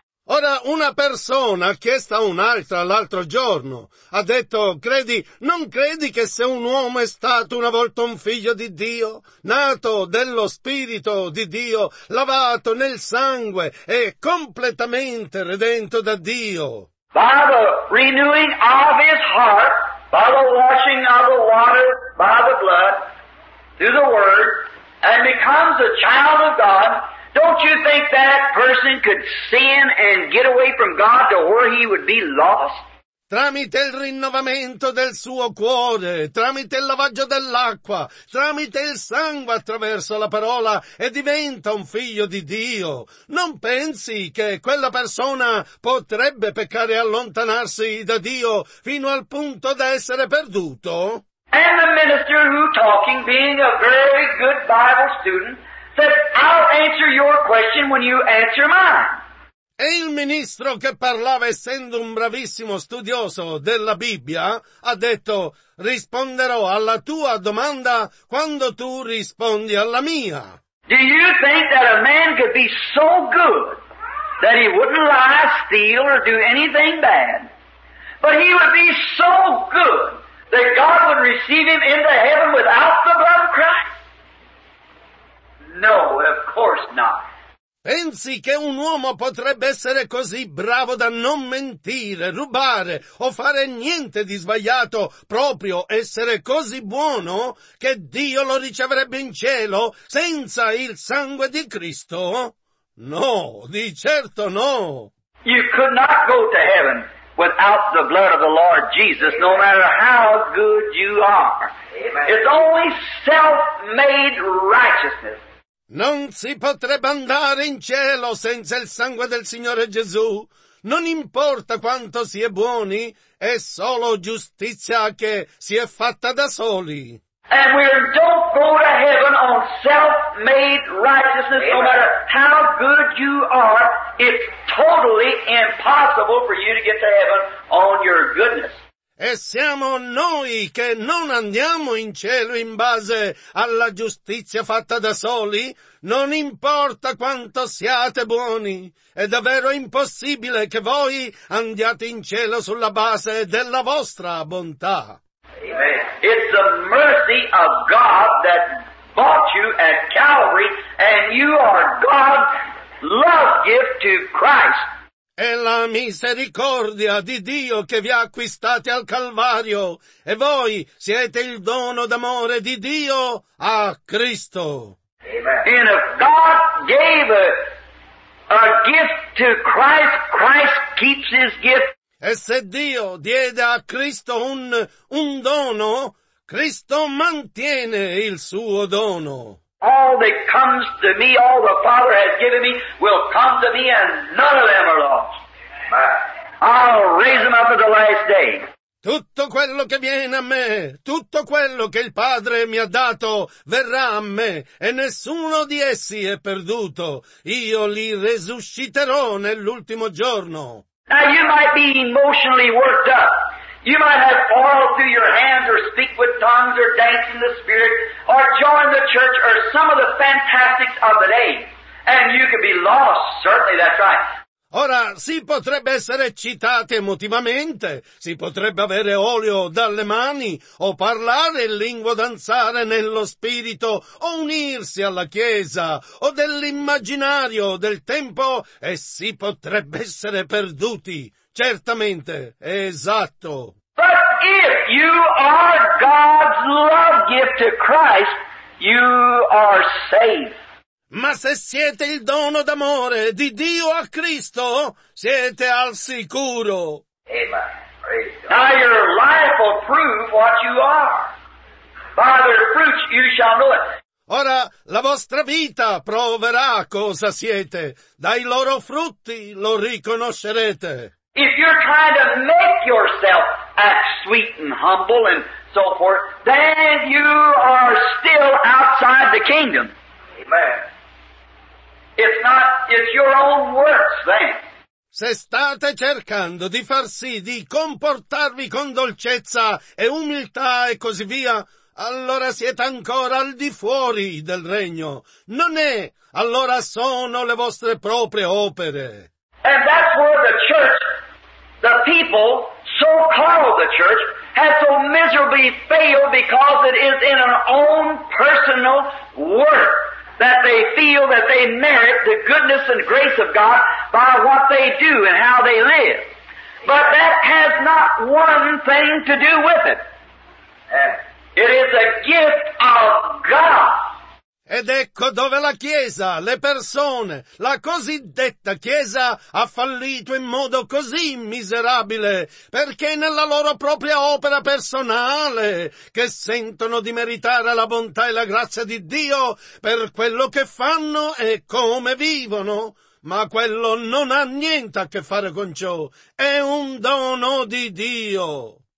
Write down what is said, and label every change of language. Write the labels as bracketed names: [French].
[Italian] Ora, una persona ha chiesto a un'altra l'altro giorno, ha detto, non credi che se un uomo è stato una volta un figlio di Dio, nato dello Spirito di Dio, lavato nel sangue e completamente redento da Dio? [English] By the renewing of his heart, by the washing of the water, by the blood, through the word, and becomes a child of God, don't you think that person could sin and get away from God to where he would be lost? [Italian] Tramite il rinnovamento del suo cuore, tramite il lavaggio dell'acqua, tramite il sangue attraverso la parola, e diventa un figlio di Dio. Non pensi che quella persona potrebbe peccare e allontanarsi da Dio fino al punto da essere perduto? [English] And the minister who talking, being a very good Bible student, said, I'll answer your question when you answer mine. [Italian] E il ministro che parlava, essendo un bravissimo studioso della Bibbia, ha detto: risponderò alla tua domanda quando tu rispondi alla mia. [English] Do you think that a man could be so good that he wouldn't lie, steal, or do anything bad? But he would be so good that God would receive him into heaven without the blood of Christ? No, of course not. [Italian] Pensi che un uomo potrebbe essere così bravo da non mentire, rubare o fare niente di sbagliato, proprio essere così buono che Dio lo riceverebbe in cielo senza il sangue di Cristo? No, di certo no. [English] You could not go to heaven without the blood of the Lord Jesus, no matter how good you are. It's only self-made righteousness. [Italian] Non si potrebbe andare in cielo senza il sangue del Signore Gesù. Non importa quanto si è buoni, è solo giustizia che si è fatta da soli. [English] And we don't go to heaven on self-made righteousness, no matter how good you are. It's totally impossible for you to get to heaven on your goodness. [Italian] E siamo noi che non andiamo in cielo in base alla giustizia fatta da soli? Non importa quanto siate buoni, è davvero impossibile che voi andiate in cielo sulla base della vostra bontà. Amen. [English] It's the mercy of God that bought you at Calvary, and you are God's love gift to Christ. [Italian] È la misericordia di Dio che vi ha acquistati al Calvario, e voi siete il dono d'amore di Dio a Cristo. [English] Amen. And if God gave a gift to Christ, Christ keeps his gift. [Italian] E se Dio diede a Cristo un dono, Cristo mantiene il suo dono. [English] All that comes to me, all the Father has given me, will come to me, and none of them are lost. I'll raise them up at the last day. [Italian] Tutto quello che viene a me, tutto quello che il Padre mi ha dato, verrà a me, e nessuno di essi è perduto. Io li resusciterò nell'ultimo giorno. [English] Now you might be emotionally worked up. You might have oil through your hands, or speak with tongues, or dance in the Spirit, or join the church, or some of the fantastics of the day. And you could be lost, certainly, that's right. [Italian] Ora, si potrebbe essere eccitati emotivamente, si potrebbe avere olio dalle mani, o parlare in lingua, danzare nello spirito, o unirsi alla chiesa, o dell'immaginario del tempo, e si potrebbe essere perduti. Certamente, esatto. [English] But if you are God's love gift to Christ, you are saved. [Italian] Ma se siete il dono d'amore di Dio a Cristo, siete al sicuro. Amen. [English] Now your life will prove what you are. By their fruits you shall know it. [Italian] Ora la vostra vita proverà cosa siete. Dai loro frutti lo riconoscerete. [English] If you're trying to make yourself act sweet and humble and so forth, then you are still outside the kingdom. Amen. It's your own works then. [Italian] Se state cercando di far sì di comportarvi con dolcezza e umiltà e così via, allora siete ancora al di fuori del regno. Non è, allora sono le vostre proprie opere. [English] And that's where the church, the people, so called the church, has so miserably failed, because it is in an own personal work that they feel that they merit the goodness and grace of God by what they do and how they live. But that has not one thing to do with it. It is a gift of God. [Italian] Ed ecco dove la Chiesa, le persone, la cosiddetta Chiesa ha fallito in modo così miserabile, perché nella loro propria opera personale, che sentono di meritare la bontà e la grazia di Dio per quello che fanno e come vivono, ma quello non ha niente a che fare con ciò, è un dono di Dio.